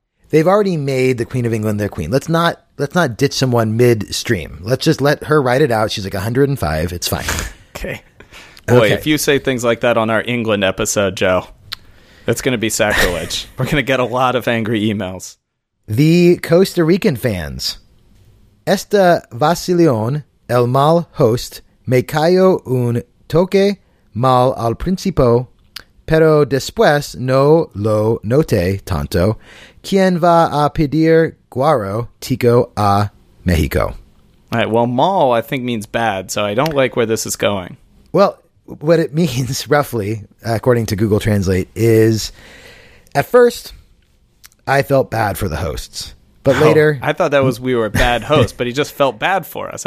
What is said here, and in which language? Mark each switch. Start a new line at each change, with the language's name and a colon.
English: They've already made the Queen of England their queen. Let's not ditch someone midstream. Let's just let her ride it out. She's like 105. It's fine. Okay. Boy, okay. If you say things like that on our England episode, Joe, that's going to be sacrilege. We're going to get a lot of angry emails. The Costa Rican fans.
Spanish: Esta vacilión, el mal host, me cayó un toque mal al principio, pero después no lo noté tanto. ¿Quién va a pedir guaro tico a México?
English: All right, well, mal, I think, means bad, so I don't like where this is going. Well, what it means, roughly, according to Google Translate, is at first, I felt bad for the hosts. But later... Oh, I thought that was we were bad hosts, but he just felt bad for us.